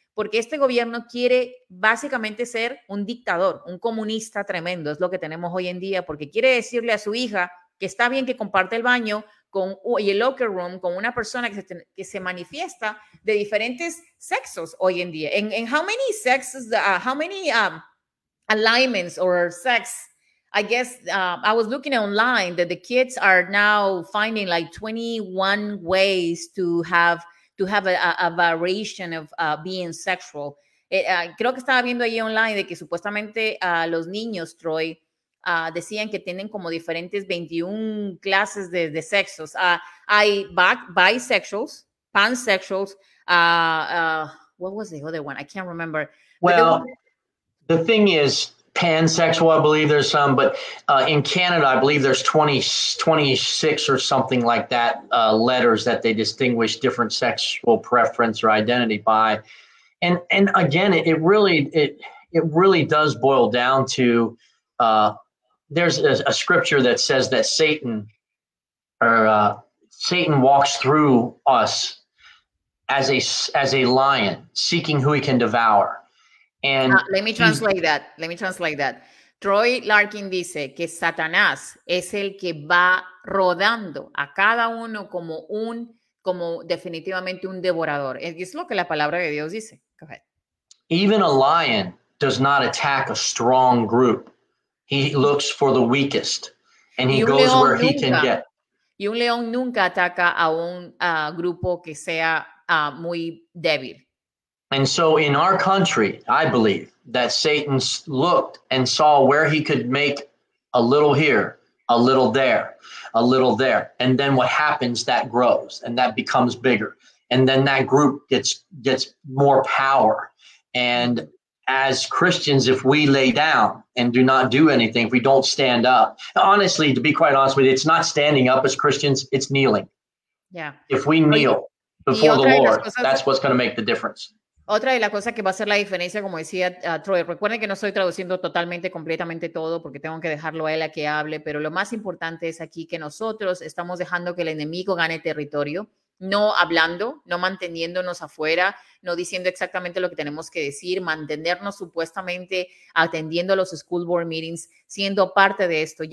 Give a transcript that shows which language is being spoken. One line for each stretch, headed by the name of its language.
Spanish: porque este gobierno quiere básicamente ser un dictador, un comunista tremendo, es lo que tenemos hoy en día, porque quiere decirle a su hija que está bien que comparte el baño con, y el locker room con una persona que se manifiesta de diferentes sexos hoy en día.
English: En how many sexes, how many alignments or sex, I guess I was looking online that the kids are now finding like 21 ways to have a variation of being sexual.
Spanish: Creo que estaba viendo ahí online de que supuestamente los niños, Troy, decían que tienen como diferentes 21 clases de sexos. Hay bisexuals, pansexuals.
English: What was the other one? I can't remember. Well, the thing is, pansexual, I believe there's some, but in Canada, I believe there's 26 or something like that letters that they distinguish different sexual preference or identity by. And again, it really does boil down to there's a scripture that says that Satan walks through us as a lion seeking who he can devour. And let me translate that.
Spanish: Troy Larkin dice que Satanás es el que va rodando a cada uno como definitivamente un devorador. Es lo que la palabra de Dios dice.
English: Go ahead. Even a lion does not attack a strong group. He looks for the weakest and he goes where he can get.
Spanish: Y un león nunca ataca a un grupo que sea muy débil.
English: And so in our country, I believe that Satan looked and saw where he could make a little here, a little there, a little there. And then what happens, that grows and that becomes bigger. And then that group gets more power. And as Christians, if we lay down and do not do anything, if we don't stand up, honestly, to be quite honest with you, it's not standing up as Christians, it's kneeling. Yeah. If we kneel before the Lord, that's what's going to make the difference.
Spanish: Otra de las cosas que va a hacer la diferencia, como decía Troy, recuerden que no estoy traduciendo totalmente, completamente todo, porque tengo que dejarlo a él a que hable, pero lo más importante es aquí que nosotros estamos dejando que el enemigo gane territorio, no hablando, no manteniéndonos afuera, no diciendo exactamente lo que tenemos que decir, mantenernos supuestamente atendiendo los school board meetings, siendo parte de esto.